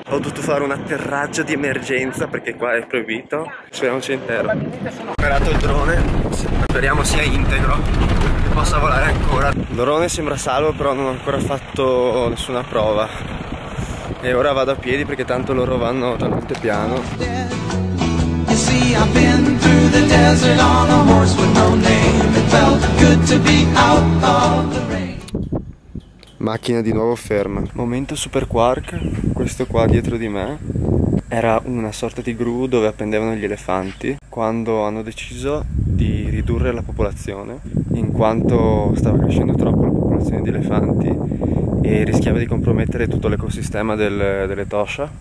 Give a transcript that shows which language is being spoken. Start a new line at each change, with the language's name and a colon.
Italian: Ho dovuto fare un atterraggio di emergenza perché qua è proibito. Speriamoci in terra. Ho operato il drone, speriamo sia integro, che possa volare ancora. Il drone sembra salvo, però non ho ancora fatto nessuna prova. E ora vado a piedi perché tanto loro vanno talmente piano.
English: You see, I've been through the desert on a horse with no name. It felt good to be out of the rain.
Italian: Macchina di nuovo ferma. Momento super quark, questo qua dietro di me Era una sorta di gru dove appendevano gli elefanti quando hanno deciso di ridurre la popolazione, in quanto stava crescendo troppo la popolazione di elefanti e rischiava di compromettere tutto l'ecosistema delle Tosha.